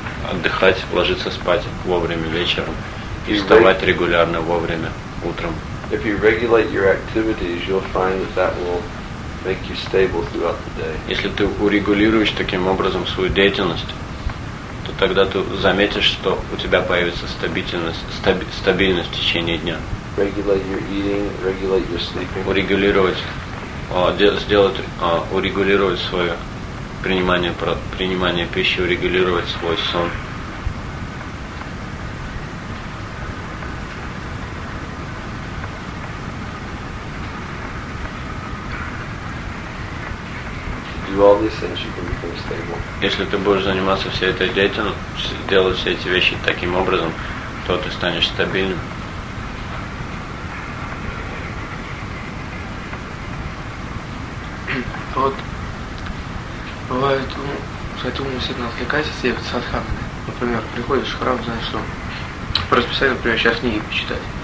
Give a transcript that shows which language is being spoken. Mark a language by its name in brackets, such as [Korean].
[Russian] Отдыхать, ложиться спать вовремя вечером и вставать регулярно вовремя утром. [English] If you regulate your activities, you'll find that that will make you stable throughout the day. [Russian] Если ты урегулируешь таким образом свою деятельность, то тогда ты заметишь, что у тебя появится стабильность в течение дня. [English] Regulate your eating, regulate your sleeping. [Russian] Урегулировать свое принимание пищи, урегулировать свой сон. [English] Do all these things, you can become stable. [Russian] Если ты будешь заниматься всей этой деятельностью, делать все эти вещи таким образом, то ты станешь стабильным. Вот. Бывает, хотим мы сильно отвлекаться, если садхана, например, приходишь в храм, знаешь, что по расписанию, например, сейчас книги почитать.